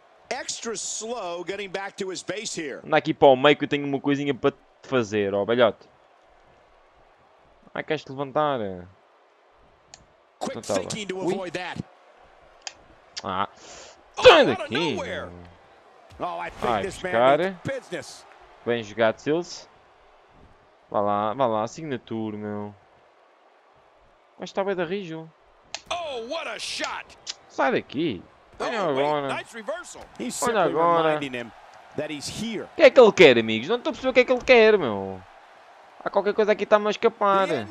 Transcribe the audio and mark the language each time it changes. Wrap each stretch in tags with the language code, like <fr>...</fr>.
<en>Extra slow getting back to his base here.</en> <pt>Anda aqui para o meio que eu tenho uma coisinha para te fazer, ó, velhote. Ai, queres-te levantar?</pt> <en>Quick thinking to avoid that.</en> <pt>Ah, sai daqui. Ai, cara. Bem jogado, Sils. Vá lá, assinatura, meu. Mas está bem da rijo.</pt> <en>Oh, what a shot!</en> <pt>Sai daqui. Olha agora.</pt> <en>Nice reversal. He's simply reminding him that he's here.</en> <pt>O que é que ele quer, amigos? Não estou a perceber o que é que ele quer, meu. Há qualquer coisa aqui que está-me a escapar.</pt>